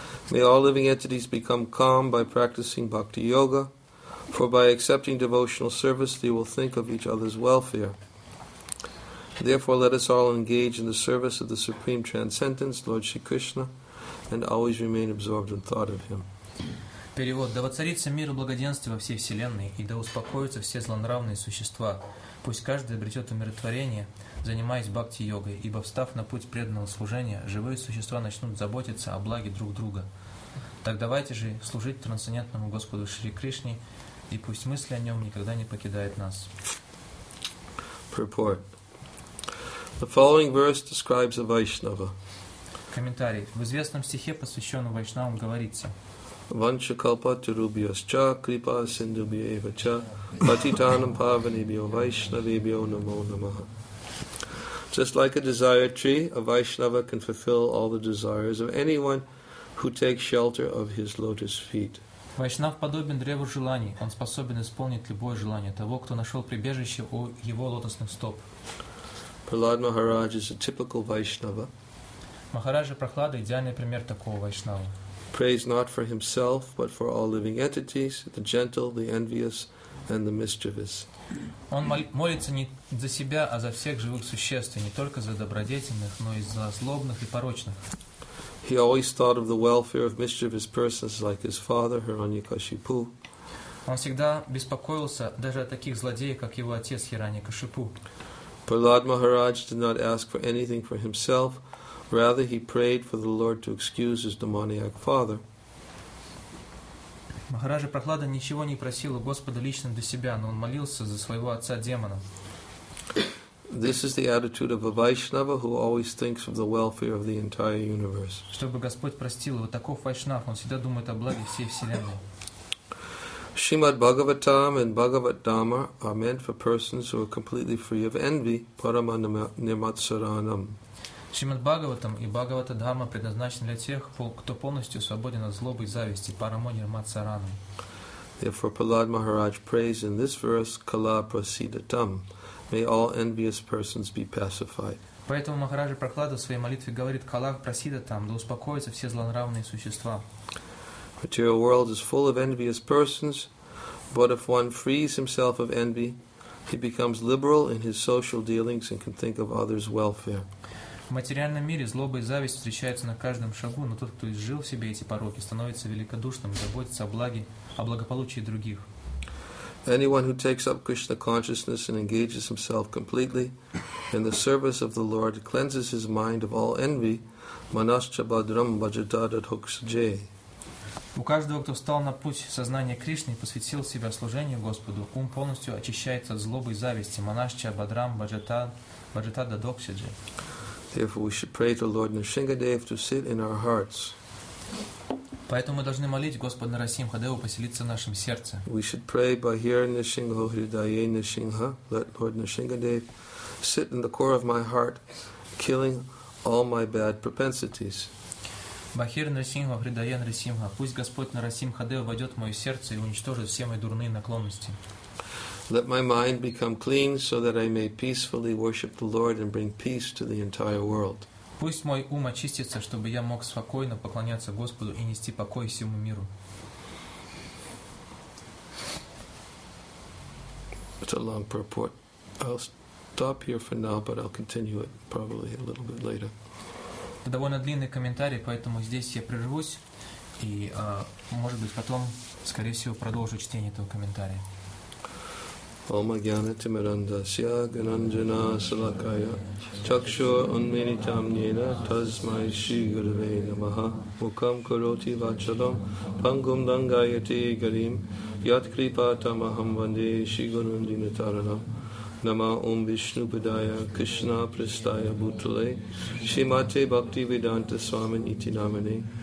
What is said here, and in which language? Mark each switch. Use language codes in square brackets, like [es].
[en] May all living entities become calm by practicing bhakti yoga, for by accepting devotional service, they will think of each other's welfare. Therefore, let us all engage in the service of the Supreme Transcendence, Lord Shri Krishna, and always remain absorbed in thought of Him. [ru] Перевод. Да воцарится мир и благоденствие во всей вселенной, и да успокоятся все злонравные существа. Пусть каждый обретет умиротворение, занимаясь бхакти-йогой, ибо, встав на путь преданного служения, живые существа начнут заботиться о благе друг друга. Так давайте же служить трансцендентному Господу Шри Кришне, и пусть мысли о Нем никогда не покидают нас. [en] Purport. The following verse describes a Vaishnava. [ru] Комментарий. В известном стихе, посвященном Вайшнавам, говорится: [sa] Ванчакалпа тирубьясча крипа синдубьевача патитанам павнибьо вайшнавибьо намо намаха. [en] Just like a desire tree, a Vaishnava can fulfill all the desires of anyone who takes shelter of his lotus feet. [ru] Вайшнав подобен древу желаний. Он способен исполнить любое желание того, кто нашел прибежище у его лотосных стоп. [en] Prahlad Maharaj is a typical Vaishnava. [ru] Махараджа Прахлада – идеальный пример такого Вайшнава. [en] Prays not for himself, but for all living entities, the gentle, the envious, and the mischievous. [ru] Он молится не за себя, а за всех живых существ, не только за добродетельных, но и за злобных и порочных. [en] He always thought of the welfare of mischievous persons like his father, Hiranyakashipu. [ru] Он всегда беспокоился даже о таких злодеях, как его отец Хираньякашипу. [en] Prahlad Maharaj did not ask for anything for himself. Rather, he prayed for the Lord to excuse his demoniac father. [ru] Махараджа Прахлада ничего не просил у Господа лично для себя, но он молился за своего отца демона. [en] This is the attitude of a Vaishnava who always thinks of the welfare of the entire universe. [ru] Чтобы Господь простил его, таков Вайшнав, он всегда думает о благе всей вселенной. [en] Shrimad Bhagavatam and Bhagavad Dhamma are meant for persons who are completely free of envy, paramanirmatsaranam. [ru] Шримад Бхагаватам и Бхагавата Дхарма предназначены для тех, кто полностью свободен от злобы и зависти, парамонирмацаранам. [en] Therefore, Prahlad Maharaj prays in this verse, [sa] Kala Prasidatam. [en] May all envious persons be pacified. [ru] Поэтому Махараджа Прахлада в своей молитве говорит, [sa] Kala Prasidatam, [ru] да успокоятся все злонравные существа. [en] Material world is full of envious persons, but if one frees himself of envy, he becomes liberal in his social dealings and can think of others' welfare. [ru] В материальном мире злоба и зависть встречаются на каждом шагу, но тот, кто изжил в себе эти пороки, становится великодушным и заботится о благе, о благополучии других. [en] Anyone who takes up Krishna consciousness and engages himself completely in the service of the Lord cleanses his mind of all envy, [sa] manascha bhadram bhajatadadhoksajay. [ru] У каждого, кто встал на путь сознания Кришны и посвятил себя служению Господу, ум полностью очищается от злобы и зависти, [sa] манашча бхадрам бхаджатададхоксаджай. [en] Therefore, we should pray to Lord Narsingadev to sit in our hearts. [ru] Поэтому мы должны молить Господа Нарасимхадеву поселиться в нашем сердце. [en] We should pray by hearing [sa] Narsingho Hridaye Narsingha. [en] Let Lord Narsingadev sit in the core of my heart, killing all my bad propensities. [sa] Бахир Нарсингхо Хридаен Нарсингха. [ru] Пусть Господь Нарасимхадев войдет в мое сердце и уничтожит все мои дурные наклонности. [en] Let my mind become clean so that I may peacefully worship the Lord and bring peace to the entire world. [ru] Пусть мой ум очистится, чтобы я мог спокойно поклоняться Господу и нести покой всему миру. [en] It's a long purport. I'll stop here for now, but I'll continue it probably a little bit later. [ru] Это довольно длинный комментарий, поэтому здесь я прервусь и, может быть, потом, скорее всего, продолжу чтение этого комментария. [sa] Om Ajnana Timirandasya Gananjana Salakaya Chakshur Unminitam Yena Tasmai Shri Gurave Namaha Mukham Kuroti Vachalam Pangum Dangayati Garim Yat Kripa Tamaham Vande Shri Gurundina Taranam Nama Om Vishnu Padaya Krishna Pristaya Bhutale Shrimate Bhakti Vedanta Swamin Iti Namane